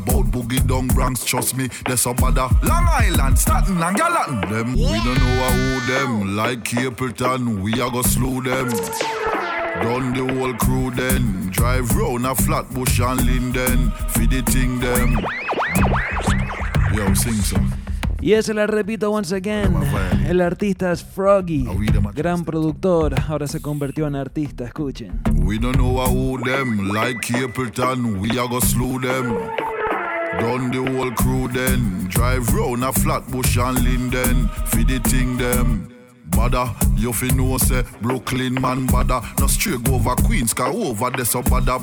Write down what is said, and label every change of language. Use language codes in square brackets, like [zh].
[en] Bout Boogie Down Bronx, trust me, there so bada. Long Island, Staten and Gallatin. Them, we don't know who them, like Capleton, we a go slew them. Done the whole crew then, drive round a Flatbush and Linden, feed the thing them. Yo, sing some. [es] Y ese la repito [en] once again, [es] el artista es Froggy, gran productor, ahora se convirtió en artista, escuchen. [en] We don't know who them, like Capleton, we a go slew them. Done the whole crew then, drive round a Flatbush and Linden, feed the thing them. Bada, you fi know say, Brooklyn man bada. No straight go over Queens, car over there so bada.